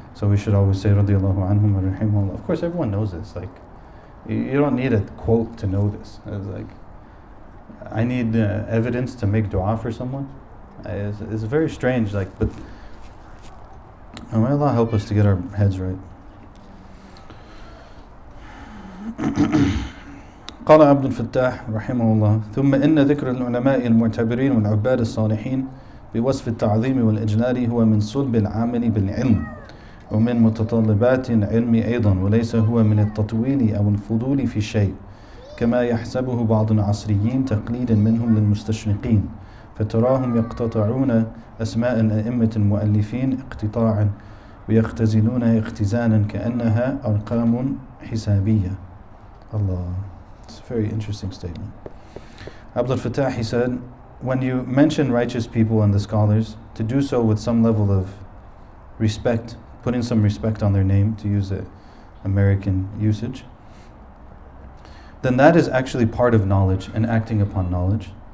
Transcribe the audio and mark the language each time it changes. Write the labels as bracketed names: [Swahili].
[English] So we should always say [Arabic] رَضِيَ اللَّهُ عَنْهُمْ أَوْ رَحِمَهُ اللَّهُ. [English] Of course, everyone knows this. Like, you don't need a quote to know this. It's like, I need evidence to make dua for someone. It's very strange, like, but may Allah help us to get our heads right. [Arabic] قال عبد الفتاح رحمه الله ثم إن ذكر العلماء المعتبرين والعباد الصالحين بوصف التعظيم والإجلال هو من صلب العامل بالعلم ومن متطلبات العلم أيضا وليس هو من التطويل أو الفضول في شيء كما يحسبه بعض العصريين تقليدا منهم للمستشرقين فتراهم يقتطعون أسماء الأئمة المؤلفين اقتطاعا ويختزلون اختزالا كأنها أرقام حسابية. [English] الله. It's a very interesting statement. Abd al-Fattah, he said, when you mention righteous people and the scholars, to do so with some level of respect, putting some respect on their name, to use an American usage, then that is actually part of knowledge and acting upon knowledge.